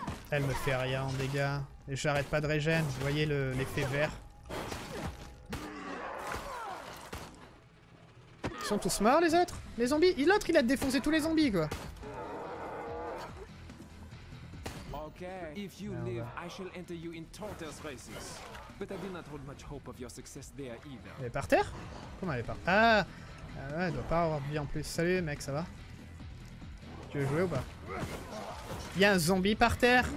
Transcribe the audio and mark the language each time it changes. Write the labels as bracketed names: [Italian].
[French] Elle me fait rien en dégâts. Et j'arrête pas de régène, vous voyez l'effet vert. Ils sont tous morts les autres? Les zombies? L'autre il a défoncé tous les zombies quoi. [English] Okay, if you live, I shall enter you in Tortoise races. But I do not hold much hope of your success there either. [French] Elle est par terre? Comment elle est par terre? Ah ouais, elle doit pas avoir de vie en plus. Salut mec, ça va? Tu veux jouer ou pas? Il y a un zombie par terre.